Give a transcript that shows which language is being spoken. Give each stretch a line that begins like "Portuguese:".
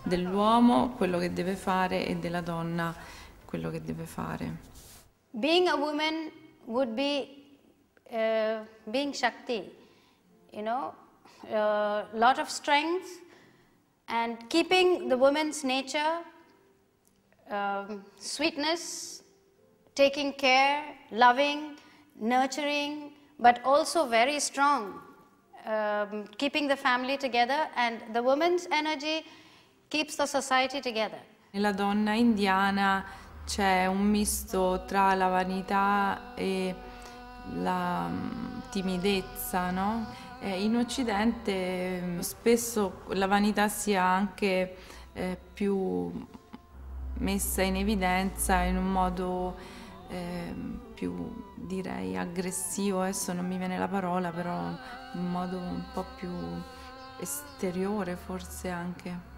Italian: dell'uomo quello che deve fare e della donna quello che deve fare.
English: Being a woman would be being Shakti, you know, a lot of strength and keeping the woman's nature, sweetness, taking care, loving, nurturing, but also very strong, keeping the family together, and the woman's energy keeps the society together.
Italian: Nella donna indiana c'è un misto tra la vanità e la timidezza, no? In Occidente spesso la vanità sia anche più messa in evidenza in un modo più, direi, aggressivo, adesso non mi viene la parola, però in modo un po' più esteriore forse anche.